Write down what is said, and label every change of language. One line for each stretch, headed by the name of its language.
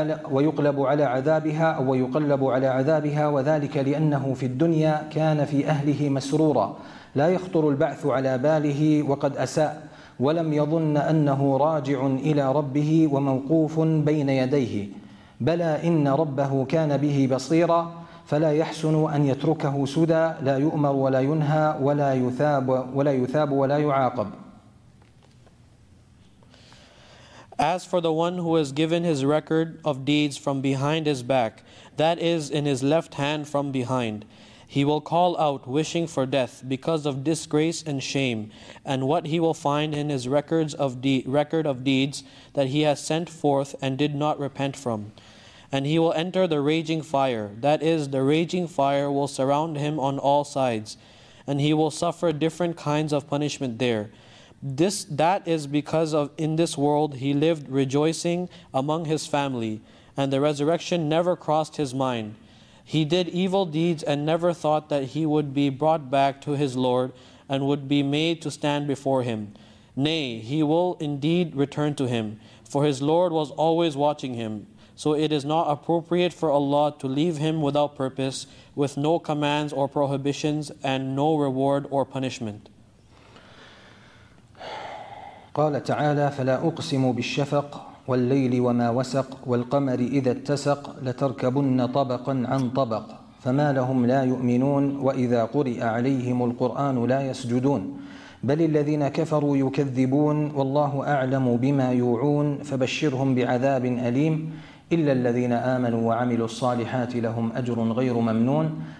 Arabic: ويقلب على عذابها أو يقلب على عذابها وذلك لأنه في الدنيا كان في أهله مسرورا لا يخطر البعث على باله وقد أساء ولم يظن أنه راجع إلى ربه وموقوف بين يديه بلى إن ربه كان به بصيرا فلا يحسن أن يتركه سدى لا يؤمر ولا ينهى ولا يثاب ولا يعاقب.
English: As for the one who is given his record of deeds from behind his back, that is in his left hand from behind, he will call out wishing for death because of disgrace and shame, and what he will find in his record of deeds that he has sent forth and did not repent from. And he will enter the raging fire, that is, the raging fire will surround him on all sides, and he will suffer different kinds of punishment there. That is because in this world he lived rejoicing among his family, and the resurrection never crossed his mind. He did evil deeds and never thought that he would be brought back to his Lord and would be made to stand before him. Nay, he will indeed return to him, for his Lord was always watching him. So it is not appropriate for Allah to leave him without purpose, with no commands or prohibitions and no reward or punishment.
Arabic: قال تعالى فلا أقسم بالشفق والليل وما وسق والقمر إذا اتسق لتركبن طبقا عن طبق فما لهم لا يؤمنون وإذا قرئ عليهم القرآن لا يسجدون بل الذين كفروا يكذبون والله أعلم بما يوعون فبشرهم بعذاب أليم إلا الذين آمنوا وعملوا الصالحات لهم أجر غير ممنون.